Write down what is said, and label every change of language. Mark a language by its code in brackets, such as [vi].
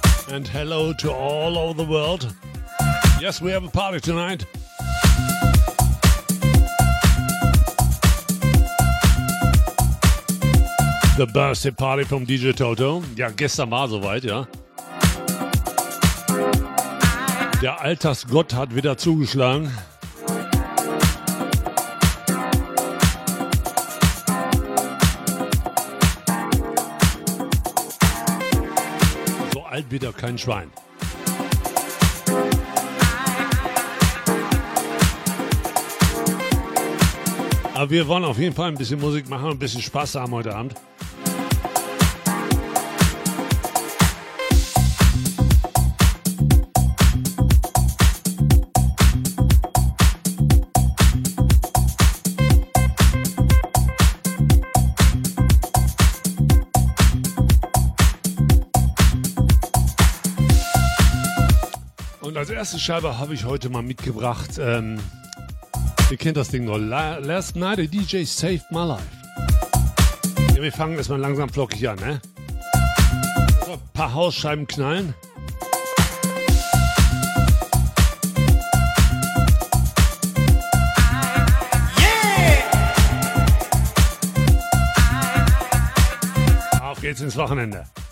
[en] And hello to all over the world. Yes, we have a party tonight. The birthday party from DJ Toto. [de] Ja, gestern war soweit, ja. Der Altersgott hat wieder zugeschlagen. So alt wie der kein Schwein. Aber wir wollen auf jeden Fall ein bisschen Musik machen und ein bisschen Spaß haben heute Abend. Und als erste Scheibe habe ich heute mal mitgebracht, ihr kennt das Ding noch. [en] Last night a DJ saved my life. [de] Ja, wir fangen erstmal langsam flockig an, ne? So, ein paar Hausscheiben knallen. Yeah! Auf geht's ins Wochenende.